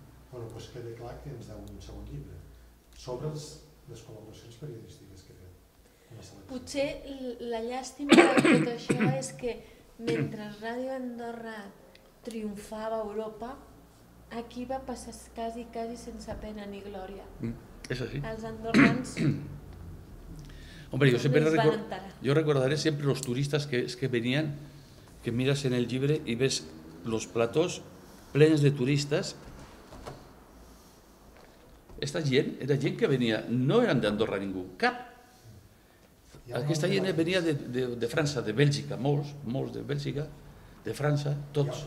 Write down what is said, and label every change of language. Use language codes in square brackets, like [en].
[ca] Bueno, pues quede clar que ens deu un segon llibre sobre les col·laboracions periodístiques que fem. Potser la llàstima de tot això és que mentre Ràdio Andorra triomfava a Europa, aquí va passar quasi sense pena ni glòria. És així. Els andorrans... [es] Hombre, yo siempre recordaré siempre los turistas que venían, que miras en el llibre y ves los platos plens de turistas. Esta gent era gent que venía, no eran de Andorra [ca] ningú, cap. Aquesta gent venía de França, de Bèlgica, molts de Bèlgica, de França, tots.